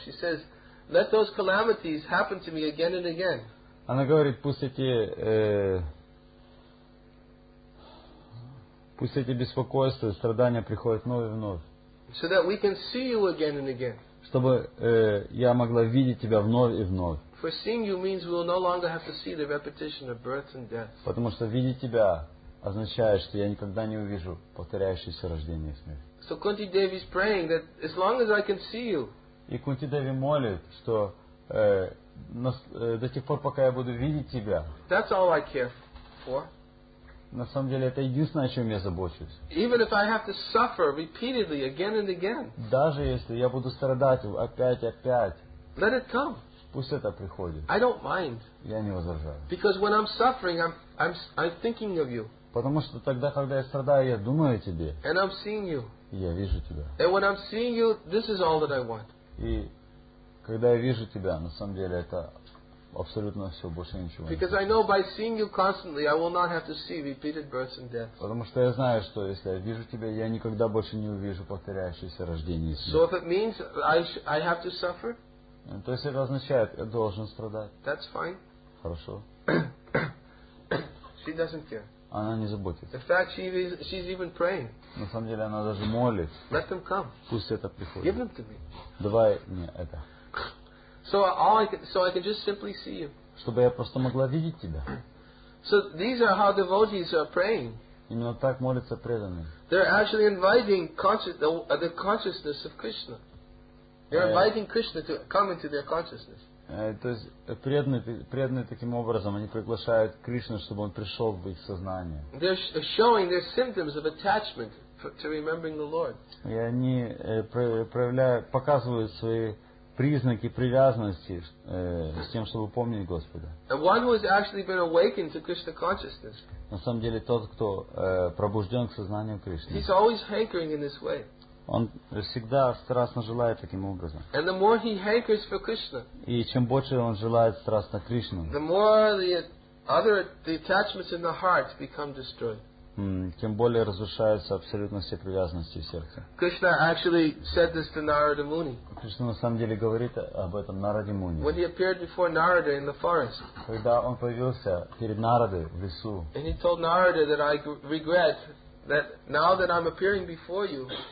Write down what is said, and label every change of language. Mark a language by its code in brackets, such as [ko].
[en] She says, let those calamities happen to me again and again. [ru] Она говорит, пусть эти беспокойства, страдания приходят вновь и вновь. [en] So that we can see you again and again. [ru] Чтобы я могла видеть тебя вновь и вновь. [en] For seeing you means we will no longer have to see the repetition of births and deaths. [ru] Потому что видеть тебя означает, что я никогда не увижу повторяющееся рождение и смерть. [en] So Kunti Devi is praying that as long as I can see you. [ru] И Кунти Деви молит, что до тех пор, пока я буду видеть тебя. [en] That's all I care for. [ru] На самом деле, это единственное, о чем я забочусь. [en] Even if I have to suffer repeatedly again and again. [ru] Даже если я буду страдать опять и опять. [en] Let it come. [ru] Пусть это приходит. [en] I don't mind. [ru] Я не возражаю. [en] Because when I'm suffering, I'm thinking of you. [ru] Потому что тогда, когда я страдаю, я думаю о тебе. [en] And I'm seeing you. [ru] И я вижу тебя. [en] And when I'm seeing you, this is all that I want. [ru] И когда я вижу тебя, на самом деле это абсолютно все, больше ничего. [en] Because I know by seeing you constantly, I will not have to see repeated births and deaths. [ru] Потому что я знаю, что если я вижу тебя, я никогда больше не увижу повторяющиеся рождения и смерти. [en] So if it means I have to suffer? [ru] То есть это означает, я должен страдать. [en] That's fine. [ru] Хорошо. [en] She doesn't care. [ru] Она не заботится. [en] In fact, she's even praying. [ru] На самом деле, она даже молится. [en] Let them come. [ru] Пусть это приходит. [en] Give them to me. [ru] Давай мне это. [en] So I can just simply see you. [ru] Чтобы я просто могла видеть тебя. [en] So these are how devotees are praying. [ru] Именно так молятся преданные. [en] They're actually inviting the consciousness of Krishna. They're inviting Krishna to come into their consciousness. [ru] То есть преданные таким образом, они приглашают Кришну, чтобы он пришел в их сознание. [en] They're showing their symptoms of attachment to remembering the Lord. [ru] И они показывают свои признаки привязанности с тем, чтобы помнить Господа. [en] And one who has actually been awakened to Krishna consciousness. [ru] На самом деле тот, кто пробужден к сознанию Кришны. [en] He's always hankering in this way. [ru] Он всегда страстно желает таким образом. [en] And the more he hankers for Krishna, [ru] и чем больше он желает страстно Кришну, [en] the more the attachments in the heart become destroyed. [ru] Тем более разрушаются абсолютно все привязанности в сердце. [en] Krishna actually said this to Narada Muni. [ru] Кришна на самом деле говорит об этом Нараде Муни. [en] When he appeared before Narada in the forest, [ru] когда он появился перед Нарадой в лесу, [en] and he told Narada that I regret that now that I'm appearing before you.